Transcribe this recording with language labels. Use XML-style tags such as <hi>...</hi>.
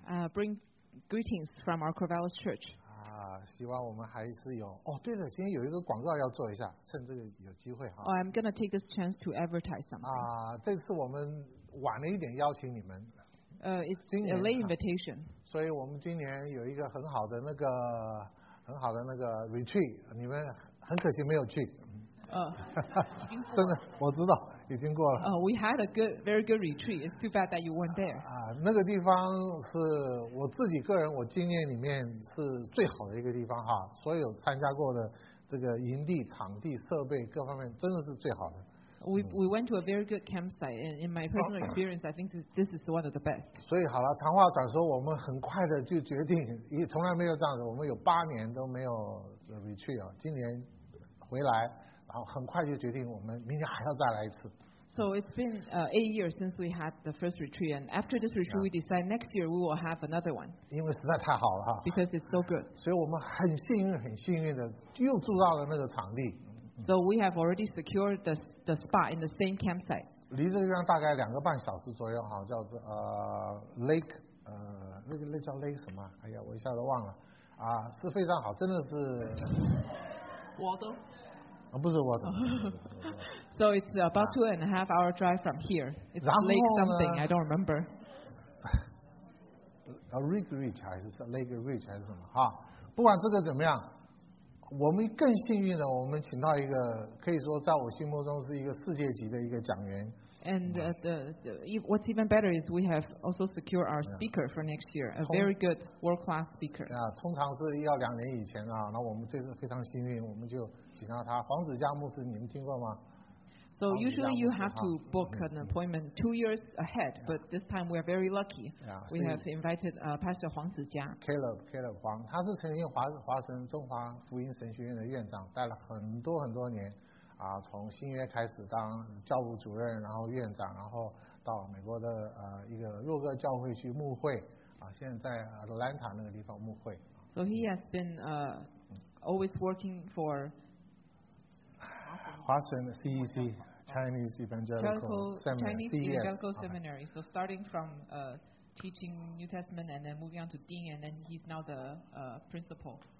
<en>Bring greetings from our Corvallis Church.</en> <zh>希望我们还是有哦。对了，今天有一个广告要做一下，趁这个有机会哈。</zh> <en>I'm gonna take this chance to advertise something.</en> <zh>这次我们晚了一点邀请你们。</zh> <en>It's a late invitation.</en> <zh>所以我们今年有一个很好的那个很好的那个 retreat， 你们很可惜没有去。真的，我知道，已经过了。</zh> <en>We had a good, very good retreat. It's too bad that you weren't there.</en> <zh>那个地方是我自己个人我经验里面是最好的一个地方哈。所有参加过的这个营地、场地、设备各方面真的是最好的。</zh> <en>We went to a very good campsite, and in my personal experience, I think this is one of the best.</en> <zh>所以好了，长话短说，我们很快的就决定，也从来没有这样子，我们有八年都没有 retreat 啊，今年回来。然后很快就决定我们明年还要再来一次。</zh> <en>So it's been eight years since we had the first retreat, and after this retreat, we decide next year we will have another one.</en> <zh>因为实在太好了哈。</zh> <en>Because it's so good.</en> <zh>所以我们很幸运，很幸运的又住到了那个场地。</zh> <en>So we have already secured the spot in the same campsite.</en> <zh>离这个地方大概两个半小时左右哈，叫做Lake 那叫 Lake 什么？哎呀，我一下子忘了。是非常好，真的是。</zh> <en>Water。</en> <zh>不是我的。</zh> <en>So it's about two and a half hour drive from here. It's Lake something, I don't remember.</en> <zh>A Lake Ridge 还是 Lake Ridge 还是什么？哈，不管这个怎么样，我们更幸运的，我们请到一个可以说在我心目中是一个世界级的一个讲员。</zh> <en>And what's even better is we have also secured our speaker for next year, a very good world class speaker.</en> <zh>通常是要两年以前啊，那我们这次非常幸运，我们就。黄子佳牧师，你们听过吗？</zh> <en>So usually you have to book an appointment two years ahead, but this time we are very lucky. We have invited Pastor 黄子佳。</en> <zh>Caleb 黄，他是曾经华神中华福音神学院的院长，带了很多很多年，从新约开始当教务主任，然后院长，然后到美国的一个若个教会去牧会，现在在 Atlanta 那个地方牧会。</zh> <en>So he has been always working for. 华神 CEC Chinese Evangelical Seminary. So starting from teaching New Testament and then moving on to Dean, and then he's now the principal.</en>